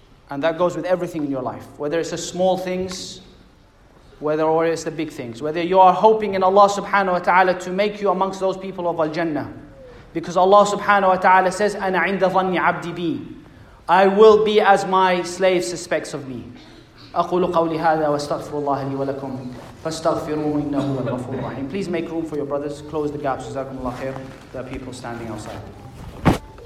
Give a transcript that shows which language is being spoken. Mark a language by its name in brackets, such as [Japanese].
[English] And that goes with everything in your life, whether it's the small things, whether or it's the big things, whether you are hoping in Allah subhanahu wa ta'ala to make you amongst those people of Al-Jannah. Because Allah subhanahu wa ta'ala says, "Ana 'inda dhanni 'abdi bi," I will be as my slave suspects of me. [Arabic] أقول قولي هذا واستغفر الله لي ولكم فاستغفروه إنه هو الغفور الرحيم. [English] Please make room for your brothers. Close the gaps. جزاكم الله خير. There are people standing outside.